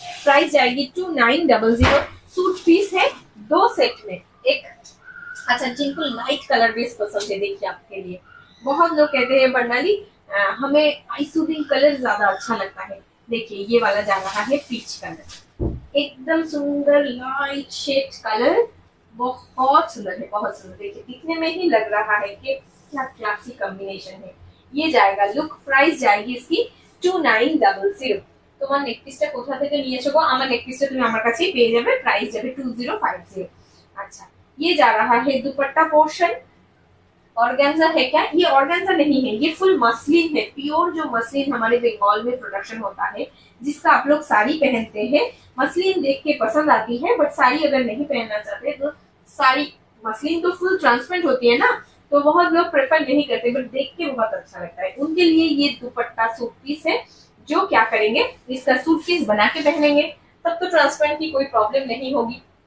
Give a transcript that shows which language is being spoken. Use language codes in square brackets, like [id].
[hi] Price जाएगी 2900। Suit piece है दो सेट में एक, अच्छा जिनको लाइट कलर भी पसंद है, देखिए आपके लिए बहुत लोग कहते हैं बर्नाली हमें आइसोबिन कलर ज्यादा अच्छा लगता है, देखिए ये वाला जा रहा है पीच कलर, एकदम सुंदर लाइट शेड कलर, बहुत सुंदर है, बहुत सुंदर, देखिए दिखने में ही लग रहा है कि क्या क्लासी कॉम्बिनेशन है। ये जाएगा लुक, प्राइस जाएगी इसकी 2900। [bn] তোমার নেকপিসটা কোথা থেকে নিয়েছো গো, আমার নেকপিসটা তুমি আমার কাছেই পেয়ে যাবে, প্রাইস যাবে 2050। [hi] আচ্ছা ইয়ে যা রাহা হে দুপাট্টা পোর্শন, ऑर्गेन्जा है क्या? ये ऑर्गेन्जा नहीं है, ये फुल मसलिन है, प्योर जो मसलिन हमारे बंगाल में प्रोडक्शन होता है, जिसका आप लोग साड़ी पहनते हैं, मसलिन देख के पसंद आती है, बट साड़ी अगर नहीं पहनना चाहते तो साड़ी मसलिन तो फुल ट्रांसपेरेंट होती है ना, तो बहुत लोग प्रेफर नहीं करते, बट देख के बहुत अच्छा लगता है, उनके लिए ये दुपट्टा सूट पीस है, जो क्या करेंगे इसका सूट पीस बना के पहनेंगे, तब तो ट्रांसपेरेंट की कोई प्रॉब्लम नहीं होगी।